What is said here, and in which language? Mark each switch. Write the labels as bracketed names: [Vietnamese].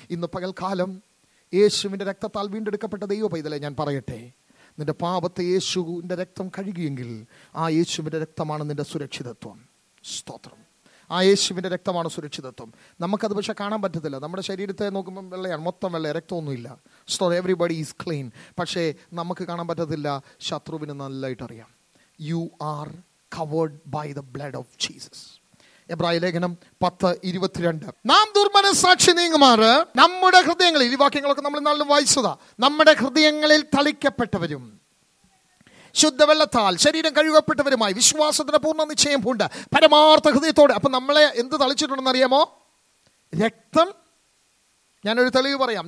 [Malayalam] ഇന്ന് പകൽക്കാലം യേശുവിൻ്റെ രക്തത്താൽ വീണ്ടെടുക്കപ്പെട്ട ദൈവ പൈതലേ, ഞാൻ പറയട്ടെ, നിൻ്റെ പാപത്തെ യേശുവിൻ്റെ രക്തം കഴുകിയെങ്കിൽ ആ യേശുവിൻ്റെ രക്തമാണ് നിൻ്റെ സുരക്ഷിതത്വം. സ്തോത്രം. ആ യേശുവിൻ്റെ രക്തമാണ് സുരക്ഷിതത്വം. നമുക്കത് പക്ഷെ കാണാൻ പറ്റത്തില്ല. നമ്മുടെ ശരീരത്തെ നോക്കുമ്പോൾ വെള്ളയാണ്, മൊത്തം വെള്ളയാണ്, രക്തമൊന്നുമില്ല. സ്തോത്രം. [English] Everybody is clean. [Malayalam] പക്ഷേ നമുക്ക് കാണാൻ പറ്റത്തില്ല, ശത്രുവിന് നല്ലതായിട്ട് അറിയാം. [English] You are covered by the blood of Jesus. [Malayalam] എബ്രായ ലേഖനം 10:22. നാം ദുർമനസാക്ഷി നീങ്ങുമാറ് നമ്മുടെ ഹൃദയങ്ങളിൽ, ഈ വാക്യങ്ങളൊക്കെ നമ്മൾ നല്ല വായിച്ചതാ, നമ്മുടെ ഹൃദയങ്ങളിൽ തളിക്കപ്പെട്ടവരും ശുദ്ധവെള്ളത്താൽ ശരീരം കഴുകപ്പെട്ടവരുമായി വിശ്വാസത്തിന് പൂർണ്ണ നിശ്ചയം പൂണ്ട് പരമാർത്ഥ ഹൃദയത്തോടെ. അപ്പൊ നമ്മളെ എന്ത് തളിച്ചിട്ടുണ്ടെന്ന് അറിയാമോ? രക്തം. ഞാനൊരു തെളിവ് പറയാം.